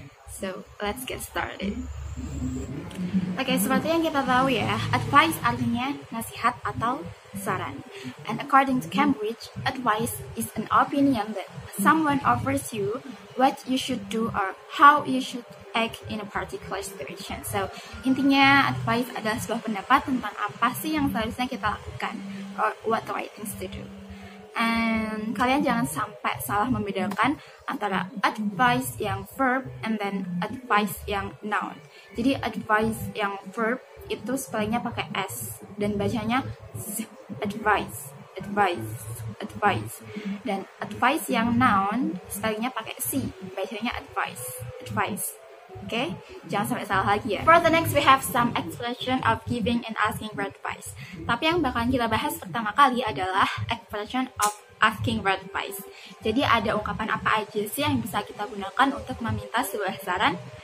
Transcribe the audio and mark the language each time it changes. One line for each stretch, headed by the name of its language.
English: So let's get started.
Indonesian: Okay, seperti yang kita tahu ya, advice artinya nasihat atau saran.
English: And according to Cambridge, advice is an opinion that someone offers you what you should do or how you should act in a particular situation.
Indonesian: So, intinya advice adalah sebuah pendapat tentang apa sih yang seharusnya kita lakukan
English: or what the right things to do.
Indonesian: And kalian jangan sampai salah membedakan antara advice yang verb and then advice yang noun. Jadi advice yang verb itu spellingnya pakai S dan bacanya z, advice, advice, advice. Dan advice yang noun spellingnya pakai C, bacanya advice, advice. Okay, jangan sampai salah lagi ya.
English: For the next, we have some expression of giving and asking for advice.
Indonesian: Tapi yang bakalan kita bahas pertama kali adalah expression of asking for advice. Jadi ada ungkapan apa aja sih yang bisa kita gunakan untuk meminta sebuah saran?